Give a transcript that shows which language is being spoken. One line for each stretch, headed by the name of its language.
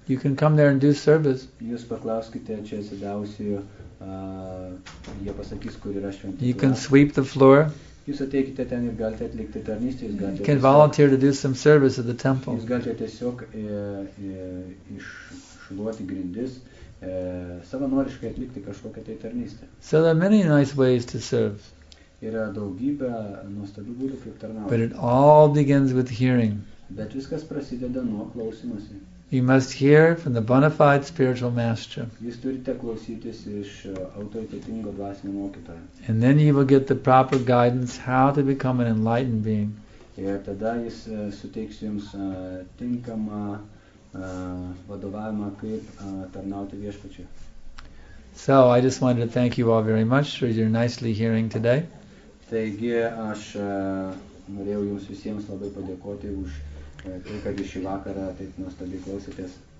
English: You can come there and do service.
Lithuanian: Jūs paklauskite čia atsidavusiųjų. Jie pasakys, kur yra šventykla.
English: You can sweep the floor.
Lithuanian: Jūs ateikite ten ir galite atlikti tarnystę. Jūs galite.
English: You can volunteer to do some service at the temple.
Lithuanian: Jūs galite tiesiog iššluoti grindis, savanoriškai atlikti kažkokią tai tarnystę.
English: So there are many nice ways to serve.
Lithuanian: Yra daugybė nuostabių būdų kaip tarnauti.
English: But it all begins with hearing.
Lithuanian: Bet viskas prasideda nuo klausymosi.
English: You must hear from the bona fide spiritual master.
Lithuanian: Jūs turite klausytis iš autoritetingo dvasinio mokytojo.
English: And then you will get the proper guidance how to become an enlightened being.
Lithuanian: Ir tada jis suteiks jums tinkamą vadovavimą, kaip tarnauti Viešpačiui.
English: So I just wanted to thank you all very much for your nicely hearing today.
Lithuanian: Taigi aš norėjau jums visiems labai padėkoti už tai, kad šį vakarą taip nuostabiai klausėtės.